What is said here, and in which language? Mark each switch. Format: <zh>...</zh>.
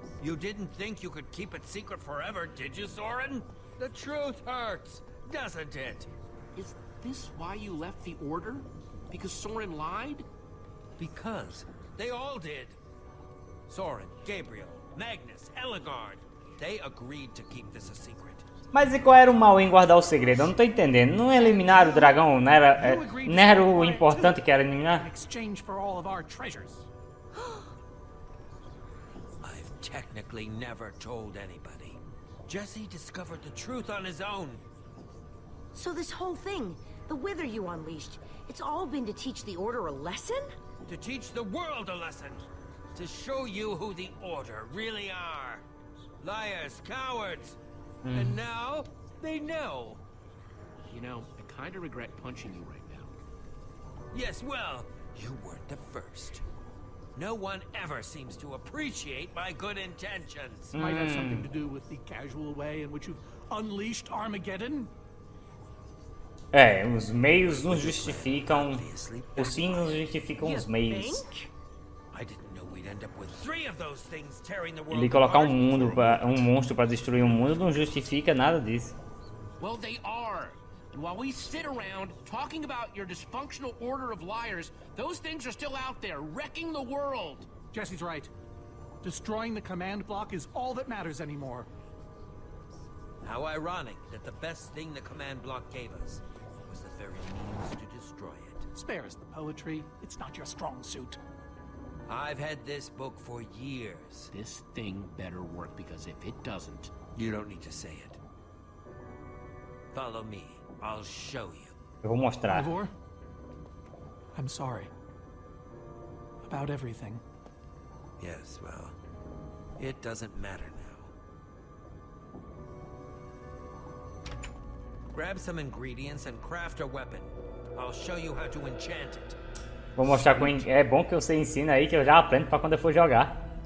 <en>You didn't think you could keep it secret forever, did you, Soren? The truth hurts, doesn't it? Is this why you left the Order? Because Soren lied? Because they all did. Soren, Gabriel, Magnus, Elagard, they agreed to keep this a secret.</en> <pt>Mas e qual era o mal em guardar o segredo? Eu não tô entendendo. Não eliminar o dragão, não era o importante que era eliminar?</pt> <en>Exchange for all of our treasures. I've technically never told anybody. Jesse discovered the truth on his own. So this whole thing, the Wither you unleashed, it's all been to teach the Order a lesson? To teach the world a lesson. To show you who the Order really are. Liars, cowards. And now, they know. You know, I kind of regret punching you right now. Yes, well, you weren't the first. No one ever seems to appreciate my good intentions. Might have something to do with the casual way in which you've unleashed Armageddon?</en> <pt>É, os meios não justificam... Os fins não justificam os meios.</pt> <en>I didn't know we'd end up with three of those things tearing the world.</en> <pt>Ele colocar um mundo para um monstro para destruir um mundo não justifica nada disso.</pt> <en>Well, they are. And while we sit around talking about your dysfunctional order of liars, those things are still out there wrecking the world. Jesse's right. Destroying the command block is all that matters anymore. How ironic that the best thing the command block gave us was the very means to destroy it. Spare us the poetry. It's not your strong suit. I've had this book for years. This thing better work, because if it doesn't... You don't need to say it. Follow me. I'll show you.</en> <pt>Eu vou mostrar.</pt> <en>Ivor, I'm sorry. About everything. Yes, well, it doesn't matter now. Grab some ingredients and craft a weapon. I'll show you how to enchant it.</en> <pt>Vou mostrar com é bom que você ensina aí, que eu já aprendo para quando eu for jogar.</pt>